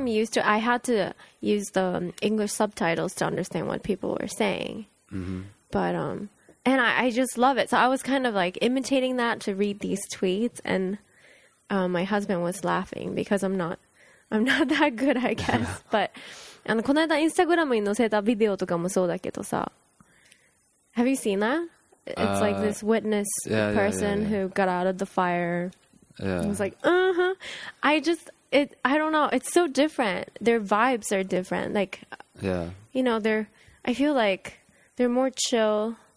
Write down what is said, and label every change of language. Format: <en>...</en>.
<en>I'm used to it. I had to use the English subtitles to understand what people were saying. Mm-hmm. But, And I just love it. So I was kind of like imitating that to read these tweets. And my husband was laughing because I'm not that good, I guess. But</en> <ja>この間インスタグラムに載せたビデオとかもそうだけどさ。</ja> <en>Have you seen that? It's like this witness person who got out of the fire. Yeah. I was like, uh-huh. I don't know. It's so different. Their vibes are different. Like, you know, I feel like they're more chill.</en>